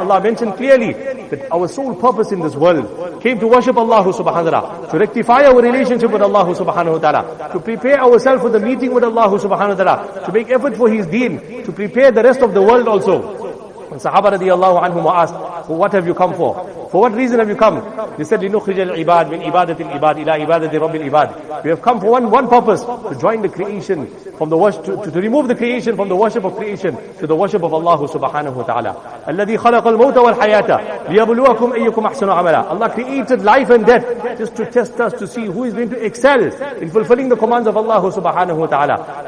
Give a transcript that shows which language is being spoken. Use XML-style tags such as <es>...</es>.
<en>Allah mentioned clearly that our sole purpose in this world came to worship Allah subhanahu wa ta'ala, to rectify our relationship with Allah subhanahu wa ta'ala, to prepare ourselves for the meeting with Allah subhanahu wa ta'ala, to make effort for His deen, to prepare the rest of the world also. And Sahaba radiallahu anhum were asked, well, what have you come for? For what reason have you come? He said,</en> <ar>لِنُخْرِجَ الْعِبَادِ مِنْ عِبَادَةِ الْعِبَادِ إِلَىٰ عِبَادَةِ رَبِّ الْعِبَادِ.</ar> <en>We have come for one purpose, to join the creation from the worship, to remove the creation from the worship of creation to the worship of Allah subhanahu wa ta'ala.</en> <ar>الَّذِي خَلَقَ الْمَوْتَ وَالْحَيَاةَ لِيَبْلُوَكُمْ أَيُّكُمْ أَحْسَنُ عَمَلًا.</ar> <en>Allah created life and death just to test us, to see who is going to excel in fulfilling the commands of Allah subhanahu wa ta'ala.</en>